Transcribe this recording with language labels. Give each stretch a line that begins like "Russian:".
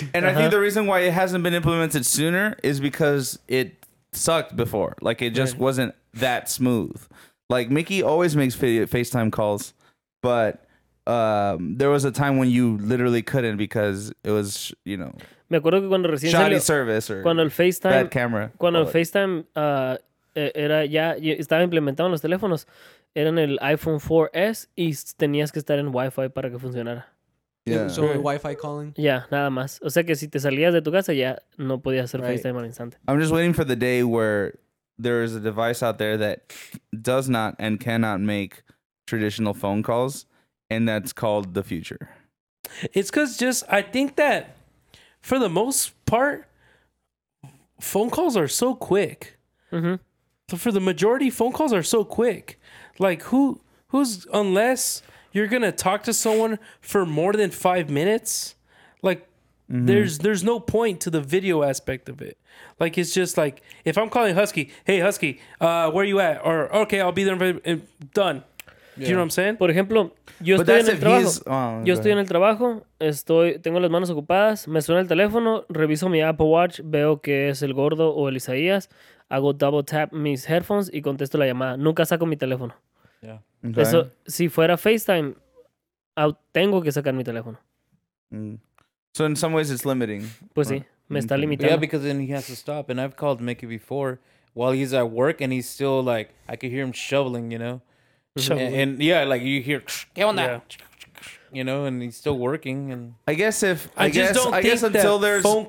English: And uh-huh. I think the reason why it hasn't been implemented sooner is because it sucked before. Like, it just right. wasn't... that smooth. Like Mickey always makes FaceTime calls, but there was a time when you literally couldn't because it was, you know,
Spanish: me acuerdo que cuando recién
English: shoddy
Spanish: salió,
English: service or
Spanish: cuando el FaceTime,
English: bad camera.
Spanish: Cuando el FaceTime era ya estaba implementado en los teléfonos, eran el iPhone 4S y tenías que estar en Wi-Fi para que funcionara.
English: Yeah. So right. Wi-Fi calling?
Spanish: Yeah, nada más. O sea que si te salías de tu casa ya no podías hacer right. FaceTime al instante.
English: I'm just waiting for the day where there is a device out there that does not and cannot make traditional phone calls, and that's called the future. It's because just, I think that for the most part, phone calls are so quick. Mm-hmm. So for the majority, phone calls are so quick. Like who's, unless you're going to talk to someone for more than 5 minutes, like mm-hmm. there's no point to the video aspect of it. Like, it's just like, if I'm calling Husky, hey, Husky, where are you at? Or, okay, I'll be there. Done. Yeah. Do you know what I'm saying?
Spanish: Por ejemplo, yo but estoy en el trabajo. Oh, yo estoy en el trabajo. Estoy, tengo las manos ocupadas. Me suena el teléfono. Reviso mi Apple Watch. Veo que es el Gordo o el Isaías. Hago double tap mis headphones y contesto la llamada. Nunca saco mi teléfono.
English: Yeah. Okay.
Spanish: Eso, si fuera FaceTime, tengo que sacar mi teléfono.
English: Mm. So, in some ways, it's limiting.
Spanish: Pues sí. Me está limitando.
English: Yeah, because then he has to stop. And I've called Mickey before while he's at work and he's still like, I could hear him shoveling, you know? Shoveling. And yeah, like you hear, get on that. You know, and he's still working. And I guess if, I guess until there's.